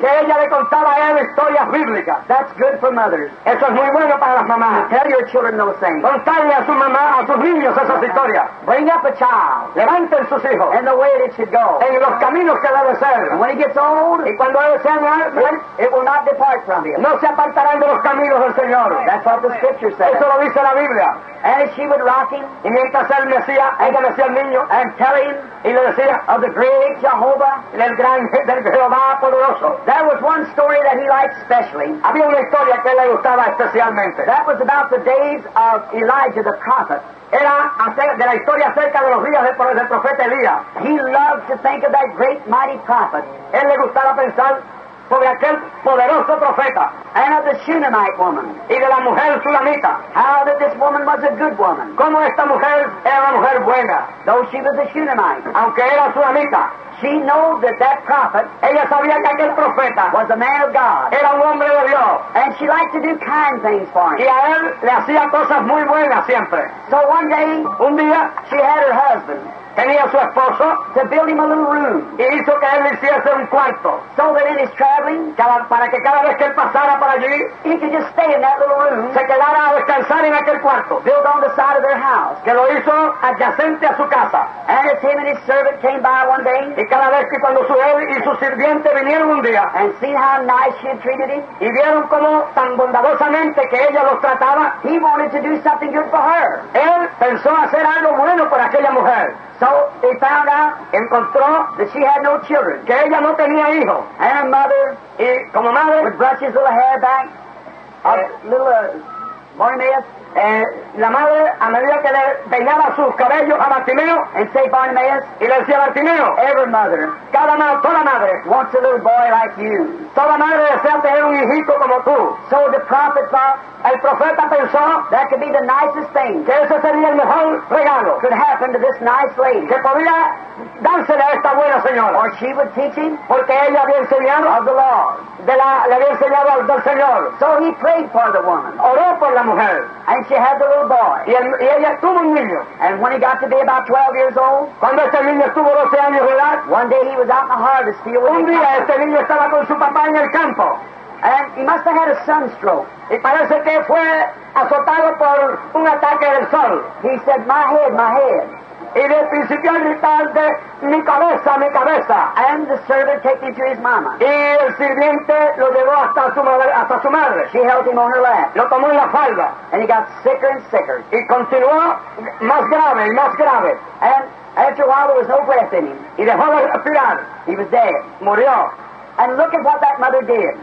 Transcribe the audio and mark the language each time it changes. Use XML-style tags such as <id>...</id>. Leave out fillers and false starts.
<es>Que ella le contaba a él historias bíblicas.</es> <en>That's good for mothers.</en> <es>Eso es muy bueno para las mamás.</es> <en>To tell your children those things.</en> <es>Contarle a su mamá, a sus niños esas historias.</es> <en>Bring up a child.</en> <es>Levanten sus hijos.</es> <en>In the way that it should go.</en> <es>En los caminos que debe ser.</es> <en>And when he gets old,</en> <es>y cuando él sea mayor,</es> <en>it will not depart from him.</en> <es>No se apartarán de los caminos del Señor.</es> <en>That's what the scripture says.</en> <es>Eso lo dice la Biblia.</es> <en>And she would rock him,</en> <es>y mientras él mecía, ella mecía al niño,</es> <en>and tell him,</en> <es>y le decía,</es> <en>of the great Jehovah,</en> <es>del gran del Jehová poderoso.</es> <en>There was one story that he liked specially.</en> <es>Había una historia que le gustaba especialmente.</es> <en>That was about the days of Elijah the prophet.</en> <es>Era de la historia acerca de los días del profeta Elías.</es> <en>He loved to think of that great mighty prophet.</en> <es>Él le gustaba pensar sobre aquel poderoso profeta.</es> <en>And of the Shunammite woman.</en> <es>Y de la mujer Shunamita.</es> <en>How that this woman was a good woman.</en> <es>Como esta mujer era una mujer buena.</es> <en>Though she was a Shunammite.</en> <es>Aunque era Shunamita.</es> <en>She knew that that prophet.</en> <es>Ella sabía que aquel profeta.</es> <en>Was a man of God.</en> <es>Era un hombre de Dios.</es> <en>And she liked to do kind things for him.</en> <es>Y a él le hacía cosas muy buenas siempre.</es> <en>So one day.</en> <es>Un día.</es> <en>She had her husband.</en> <es>Tenía su esposo,</es> <en>to build him a little room.</en> <es>Y hizo que él hiciese un cuarto.</es> <en>So that in his traveling,</en> <es>para que cada vez que él pasara por allí,</es> <en>he could just stay in that little room,</en> <es>se quedara a descansar en aquel cuarto.</es> <en>Built on the side of their house.</en> <es>Que lo hizo adyacente a su casa.</es> <en>And as him and his servant came by one day,</en> <es>y cada vez que cuando su él y su sirviente vinieron un día,</es> <en>and seen how nice she had treated him,</en> <es>y vieron cómo tan bondadosamente que ella los trataba,</es> <en>he wanted to do something good for her.</en> <es>Él pensó hacer algo bueno por aquella mujer.</es> <en>So he found out,</en> <es>encontró,</es> <en>that she had no children.</en> <es>Que ella no tenía hijos.</es> <en>And her mother,</en> <es>y como madre,</es> <en>would brush his little hair back, little Bartimaeus.</en> <es>La madre, a medida que le peinaba sus cabellos a Bartimeo,</es> <en>and say Bartimaeus,</en> <es>y le decía Bartimeo,</es> <en>every mother,</en> <es>toda madre,</es> <en>wants a little boy like you.</en> <es>Toda madre desea tener un hijito como tú.</es> <en>So the prophet thought,</en> <es>el profeta pensó,</es> <en>that could be the nicest thing,</en> <es>que ese sería el mejor regalo,</es> <en>could happen to this nice lady,</en> <es>que podría dársele a esta buena señora,</es> <en>or she would teach him,</en> <es>porque ella había enseñado,</es> <en>of the law,</en> <es>le había enseñado al del Señor.</es> <en>So he prayed for the woman,</en> <es>oró por la mujer,</es> <en>and she had the little boy,</en> <es>y ella tuvo un niño,</es> <en>and when he got to be about 12 years old,</en> <es>cuando este niño estuvo 12 años de edad,</es> <en>one day he was out in the harvest field,</en> <es>un día este niño estaba con su papá en el campo,</es> <en>and he must have had a sunstroke.</en> <es>Y parece que fue azotado por un ataque del sol.</es> <en>He said, my head, my head.</en> <es>Y le principió a gritar de mi cabeza, mi cabeza.</es> <en>And the servant took him to his mama.</en> <es>Y el sirviente lo llevó hasta su madre.</es> <en>She held him on her lap.</en> <es>Lo tomó en la falda.</es> <en>And he got sicker and sicker.</en> <es>Y continuó más grave y más grave.</es> <en>And after a while there was no breath in him.</en> <es>Y dejó de respirar.</es> <en>He was dead.</en> <es>Murió.</es> <en>And look at what that mother did.</en>